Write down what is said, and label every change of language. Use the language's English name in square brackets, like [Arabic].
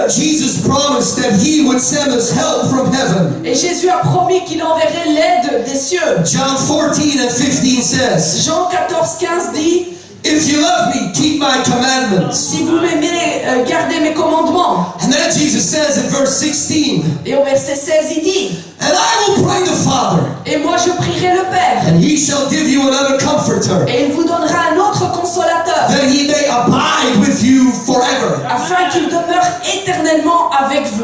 [English] Jesus promised that he would send us help from heaven. [French] Et Jésus a promis qu'il enverrait l'aide des cieux. [English] John 14 and 15 says, [French] Jean 14, 15 dit, [English] if you love me, keep my commandments. [French] Si vous m'aimez, gardez mes commandements. [English] And then Jesus says in verse 16, [French] et au verset 16, il dit, [English] and I will pray the Father. [French] Et moi je prierai le Père. [English] And he shall give you another comforter. [French] Et il vous donnera un autre consolateur. [English] That he may abide with you forever. [French] Afin qu'il demeure éternellement avec vous.